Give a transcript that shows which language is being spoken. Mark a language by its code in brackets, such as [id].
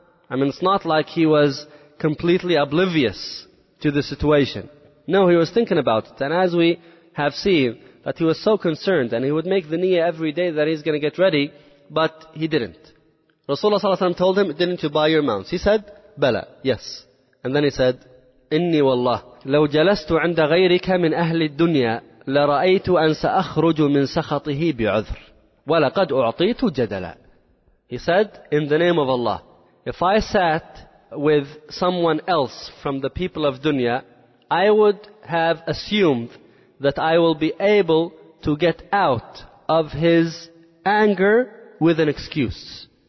[en] I mean, it's not like he was completely oblivious to the situation. No, he was thinking about it. And as we have seen, that he was so concerned, and he would make the niyyah every day that he's going to get ready, but he didn't. Rasulullah ﷺ told him, didn't you buy your mounts? He said, bala, yes. And then he said, [ar] inni wallah, لو جلست عند غيرك من أهل الدنيا لرأيت أن سأخرج من سخطه بعذر ولقد أعطيت جدلا. [en] He said, in the name of Allah, if I sat with someone else from the people of dunya, I would have assumed that I will be able to get out of his anger with an excuse.